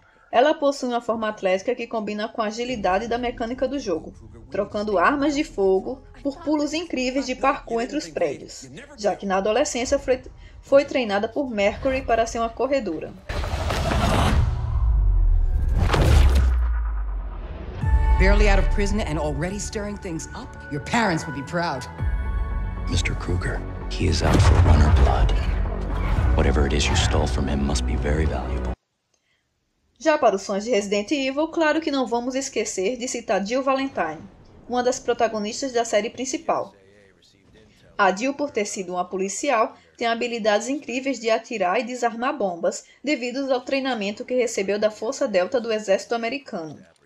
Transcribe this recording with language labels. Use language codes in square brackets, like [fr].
[pt] Ela possui uma forma atlética que combina com a agilidade da mecânica do jogo, trocando armas de fogo por pulos incríveis de parkour entre os prédios, já que na adolescência foi treinada por Mercury para ser uma corredora. [en] Barely out of prison and already stirring things up, your parents would be proud. Mr. Krueger, he is out for runner blood. Whatever it is you stole from him must be very valuable. [pt] Já para os fãs de Resident Evil, claro que não vamos esquecer de citar Jill Valentine, uma das protagonistas da série principal. A Jill, por ter sido uma policial, tem habilidades incríveis de atirar e desarmar bombas devido ao treinamento que recebeu da Força Delta do Exército Americano.